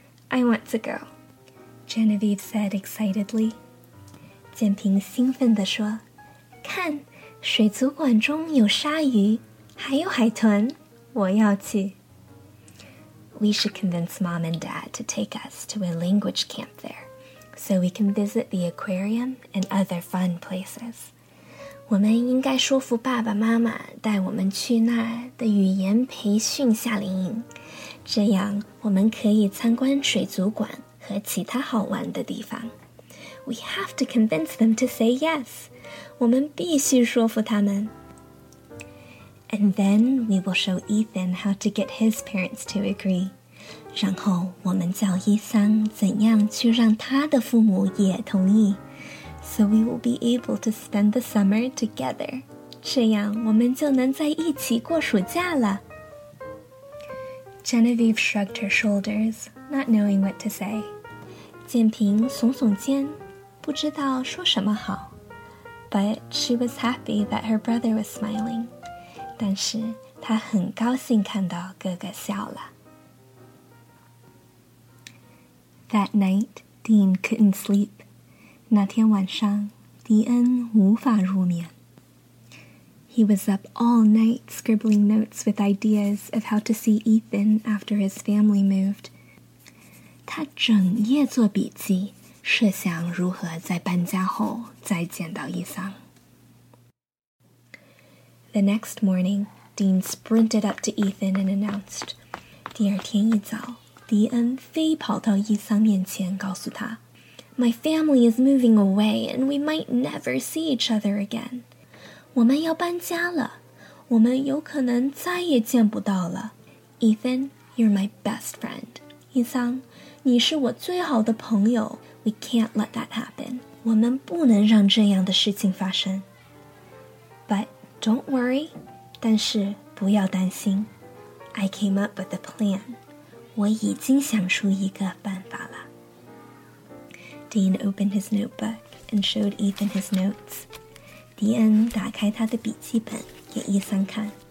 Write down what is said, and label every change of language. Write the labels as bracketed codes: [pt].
[en] I want to go, Genevieve said excitedly. [zh] 建平兴奋地说，看，水族馆中有鲨鱼，还有海豚，我要去。 [en] We should convince Mom and Dad to take us to a language camp there, so we can visit the aquarium and other fun places. [zh] 我们应该说服爸爸妈妈带我们去那儿的语言培训夏令营，这样我们可以参观水族馆和其他好玩的地方。 [en] We have to convince them to say yes. [zh] 我们必须说服他们。 [en] And then we will show Ethan how to get his parents to agree. [zh] 然后我们教伊桑怎样去让他的父母也同意。 [en] So we will be able to spend the summer together. [zh] 这样我们就能在一起过暑假了。 [en] Genevieve shrugged her shoulders, not knowing what to say. [zh] 建平耸耸肩，不知道说什么好。 [en] But she was happy that her brother was smiling. [zh] 但是他很高兴看到哥哥笑了。 [en] That night, Dean couldn't sleep. [zh] 那天晚上，迪恩无法入眠。 [en] He was up all night scribbling notes with ideas of how to see Ethan after his family moved. [zh] 他整夜做笔记，设想如何在搬家后再见到伊桑。 [en] The next morning, Dean sprinted up to Ethan and announced. [zh] 第二天一早，迪恩飞跑到伊桑面前告诉他， [en] My family is moving away and we might never see each other again. [zh] 我们要搬家了，我们有可能再也见不到了。 [en] Ethan, you're my best friend. [zh] 伊桑，你是我最好的朋友。 [en] We can't let that happen. [zh] 我们不能让这样的事情发生。 [en] But don't worry. [zh] 但是不要担心。 [en] I came up with a plan. [zh] 我已经想出一个办法了。 [en] Dean opened his notebook and showed Ethan his notes. [zh] 迪恩打开他的笔记本给伊桑看。